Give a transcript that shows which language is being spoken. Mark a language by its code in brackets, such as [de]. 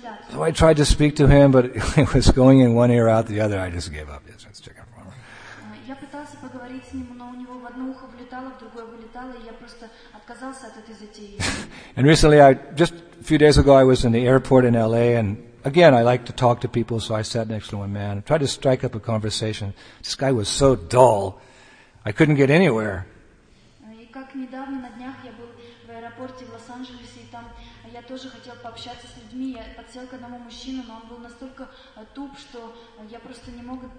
[en] So I tried to speak to him, but it was going in one ear out the other. I just gave up. Yes, it's chicken farm. [ru] Я пытался поговорить с ним, но у него в одно ухо влетало, в другое вылетало, и я просто отказался от этой затеи. [en] And recently, just a few days ago, I was in the airport in LA, and again, I like to talk to people, so I sat next to a man, tried to strike up a conversation. This guy was so dull, I couldn't get anywhere. [ru] И как недавно, на днях, я был в аэропорте в Лос-Анджелесе, и там я тоже хотел пообщаться с людьми, я подсел к одному мужчину, но он был настолько туп, что я просто не мог...